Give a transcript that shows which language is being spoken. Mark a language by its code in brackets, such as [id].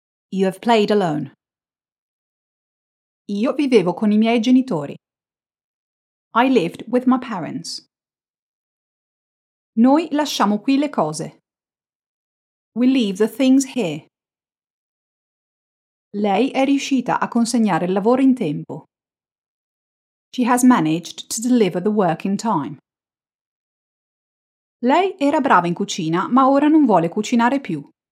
[en] You have played alone. [it] Io vivevo con i miei genitori. [en] I lived with my parents. [it] Noi lasciamo qui le cose. [en] We leave the things here. [it] Lei è riuscita a consegnare il lavoro in tempo. [en] She has managed to deliver the work in time. [it] Lei era brava in cucina, ma ora non vuole cucinare più.